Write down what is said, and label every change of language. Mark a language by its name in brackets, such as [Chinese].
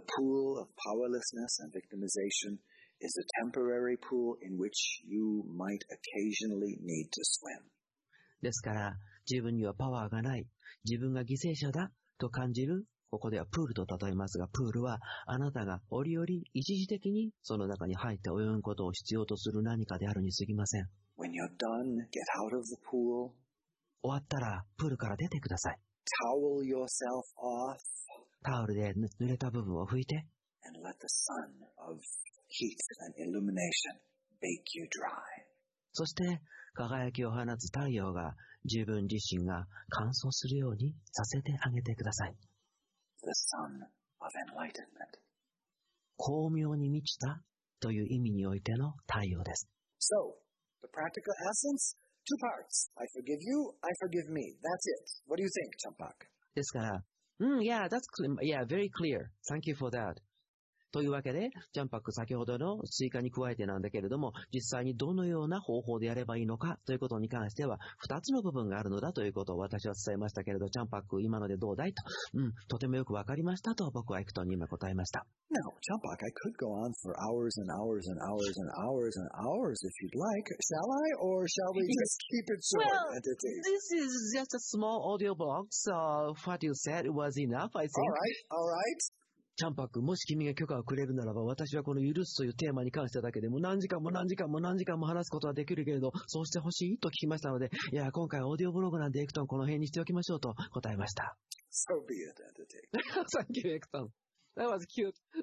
[English] The pool of powerlessness and victimization is a temporary pool in which you might occasionally need to swim. [Japanese] ですから、自分にはパワーがない、自分が犠牲者だと感じる、ここではプールと例えますが、プールはあなたが折々一時的にその中に入って泳ぐことを必要とする何かであるにすぎません。 [English] When you're done, get out of the pool. [Japanese] 終わったらプールから出てください。 [English] Towel yourself off. [Japanese] タオルで濡れた部分を拭いて。 [English] And let the sun of heat and illumination bake you dry. [Japanese] そして輝きを放つ太陽が自分自身が乾燥するようにさせてあげてください。 [English] The sun of enlightenment. [Japanese] 光明に満ちたという意味においての太陽です。 [English] So, the practical essence, two parts. I forgive you, I forgive me. That's it. What do you think, Champak? [Japanese] ですから、 [English] yeah, that's clear. Yeah, very clear. Thank you for that. [Japanese] というわけで、ジャンパック先ほどの追加に加えてなんだけれども、実際にどのような方法でやればいいのかということに関しては、二つの部分があるのだということを私は伝えましたけれど、ジャンパック今のでどうだいと、とてもよくわかりましたと僕はエクトンに今答えました。 [English] Now, Champak, I could go on for hours and hours and hours and hours and hours if you'd like. Shall I? Or shall we just keep it short? Well, this is just a small audio blog, so what you said was enough, I think. All right. [Japanese] チャンパック、もし君が許可をくれるならば、私はこの許すというテーマに関してだけでも何時間も何時間も何時間も話すことはできるけれど、そうしてほしいと聞きましたので、いや、今回オーディオブログなんでエクトンこの辺にしておきましょうと答えました。 [English] So be it, Entertainment. Thank you, Ecton. That was cute.